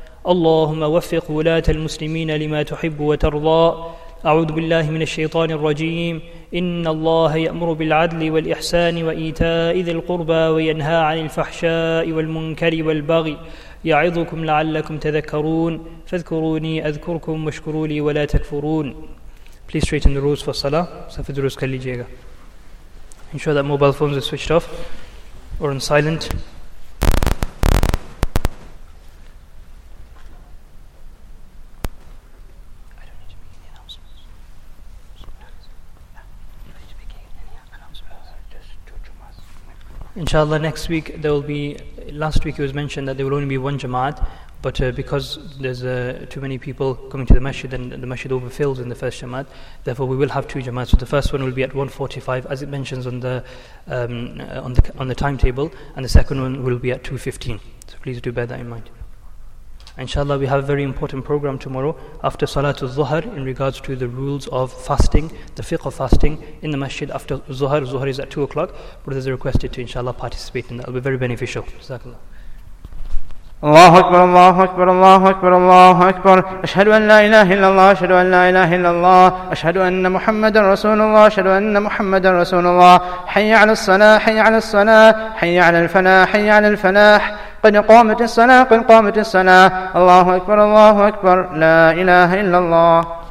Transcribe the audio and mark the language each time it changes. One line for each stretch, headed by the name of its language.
Arabic: اللهم وفق ولاة المسلمين لما تحب وترضى أعوذ بالله من الشيطان الرجيم إن الله يأمر بالعدل والإحسان وإيتاء ذي القربى وينهى عن الفحشاء والمنكر والبغي يعظكم لعلكم تذكرون فاذكروني أذكركم واشكروا لي ولا تكفرون
English: Please straighten the rules for Salah.
Urdu: Safi durus kar lijiyega.
English: Ensure that mobile phones are switched off or on silent. I don't need to make any announcements. Just two jumas. Inshallah, next week there will be, last week it was mentioned that there will only be one Jamaat, but because there's too many people coming to the masjid and the masjid overfills in the first Jamaat, therefore we will have two Jamaats. So the first one will be at 1:45 as it mentions on the timetable, and the second one will be at 2:15. So please do bear that in mind. Inshallah, we have a very important program tomorrow after Salatul Zuhr in regards to the rules of fasting, the fiqh of fasting in the masjid after Zuhr. Zuhr is at 2 o'clock. Brothers are requested to, inshallah, participate in that. It will be very beneficial. Jazakallah.
Arabic: الله أكبر الله أكبر الله أكبر الله أكبر أشهد أن لا إله إلا الله أشهد أن لا إله إلا الله أشهد أن محمدا رسول الله أشهد أن محمدا رسول الله حي على الصلاة حي على الصلاة حي على الفلاح حي على الفلاح قد قامت الصلاة قد قامت الصلاة الله أكبر الله أكبر لا إله إلا الله